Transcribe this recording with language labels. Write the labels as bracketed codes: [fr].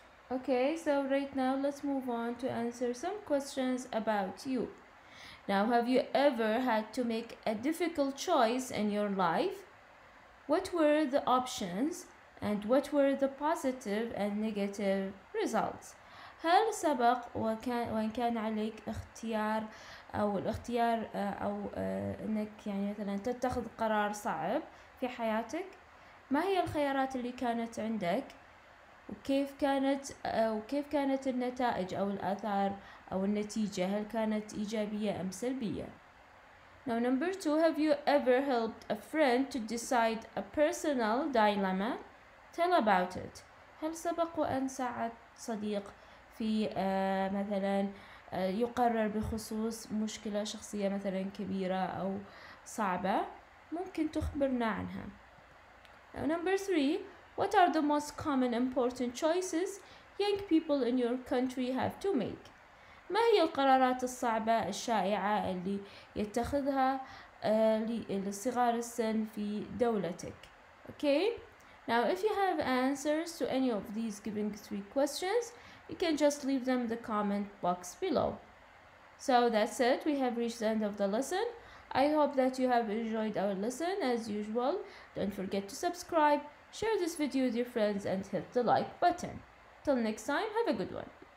[en] Okay, so right now let's move on to answer some questions about you. Now, have you ever had to make a difficult choice in your life? What were the options and what were the positive and negative results? [ar] هل سبق وان كان عليك اختيار او الاختيار او انك يعني مثلا تتخذ قرار صعب في حياتك؟ ما هي الخيارات اللي كانت عندك؟ وكيف كانت النتائج أو الآثار أو النتيجة, هل كانت إيجابية أم سلبية؟ [en] Now number two, have you ever helped a friend to decide a personal dilemma? Tell about it. [ar] هل سبق أن ساعد صديق في مثلا يقرر بخصوص مشكلة شخصية مثلا كبيرة أو صعبة؟ ممكن تخبرنا عنها. [en] Now number three, what are the most common important choices young people in your country have to make? [ar] ما هي القرارات الصعبة الشائعة اللي يتخذها لصغار السن في دولتك? [en] Okay, now if you have answers to any of these given three questions, you can just leave them in the comment box below. So that's it, we have reached the end of the lesson. I hope that you have enjoyed our lesson. As usual, don't forget to subscribe, share this video with your friends, and hit the like button. Till next time, have a good one.